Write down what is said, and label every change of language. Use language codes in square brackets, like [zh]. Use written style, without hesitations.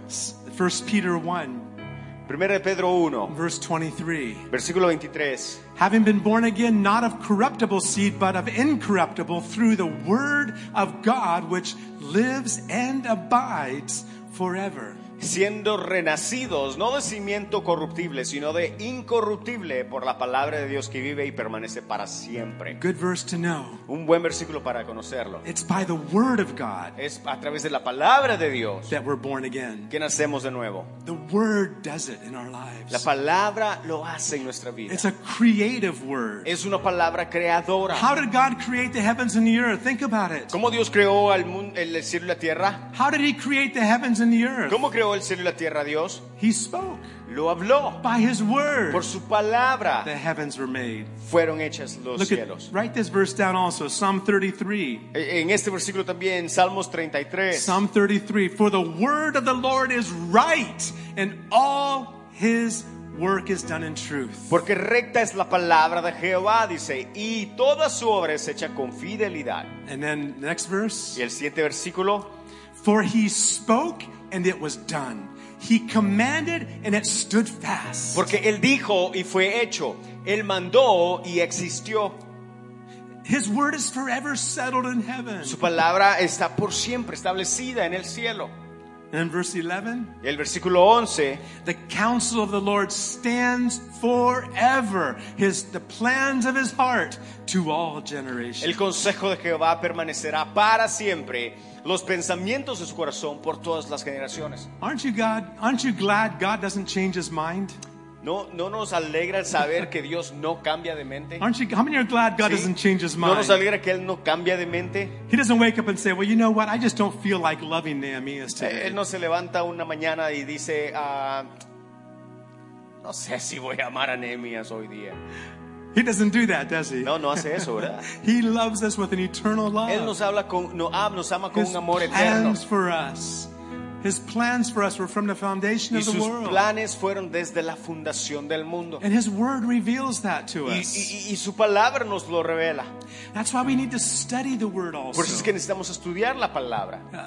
[en] 1 Peter 1. [es] Primera de Pedro 1. [en] Verse 23. [es] Versículo 23. [en] Having been born again, not of corruptible seed, but of incorruptible, through the word of God, which lives and abides forever. [es] Siendo renacidos, no de simiente corruptible, sino de incorruptible, por la palabra de Dios que vive y permanece para siempre. [en] Good verse to know. [es] Un buen versículo para conocerlo. [en] It's by the word of God. [es] Es a través de la palabra de Dios. [en] That we're born again. [es] Que nacemos de nuevo. [en] The word does it in our lives. [es] La palabra lo hace en nuestra vida. [en] It's a creative word. [es] Es una palabra creadora. [en] How did God create the heavens and the earth? Think about it. [es] ¿Cómo Dios creó al mundo, el cielo y la tierra? [en] How did he create the heavens and the earth? [es] ¿Cómo creó el cielo y la tierra a Dios? [en] He spoke. [es] Lo habló. [en] By his word. [es] Por su palabra. [en] The heavens were made. [es] Fueron hechas los cielos. [en] Write this verse down also. Psalm 33. [es] En este versículo también, Salmos 33. [en] Psalm 33. For the word of the Lord is right in all his work is done in truth. [es] Porque recta es la palabra de Jehová, dice, y toda su obra es hecha con fidelidad. [en] And then next verse. [es] Y el siguiente versículo. [en] For he spoke and it was done. He commanded and it stood fast. [es] Porque él dijo y fue hecho. Él mandó y existió. [en] His word is forever settled in heaven. [es] Su palabra está por siempre establecida en el cielo. [en] In verse 11, [es] el versículo 11, [en] the counsel of the Lord stands forever, the plans of his heart to all generations. [es] El consejo de Jehová permanecerá para siempre, los pensamientos de su corazón por todas las generaciones. [en] Aren't you glad God doesn't change his mind? [es] No nos alegra el saber que Dios no cambia de mente. [en] How many are glad God doesn't change his mind? [es] No nos alegra que él no cambia de mente. [en] He doesn't wake up and say, well, you know what? I just don't feel like loving Nehemiah today. [es] Él no se levanta una mañana y dice, no sé si voy a amar a Nehemiah hoy día. [en] He doesn't do that, does he? [es] No hace eso, ¿verdad? [en] He loves us with an eternal love. [es] Él nos ama con un amor eterno. [en] His plans for us. His plans for us were from the foundation of the world. [es] Y sus planes fueron desde la fundación del mundo. [en] And his word reveals that to us. [es] Y su palabra nos lo revela. [en] That's why we need to study the word also. [es] Por eso es que necesitamos estudiar la palabra.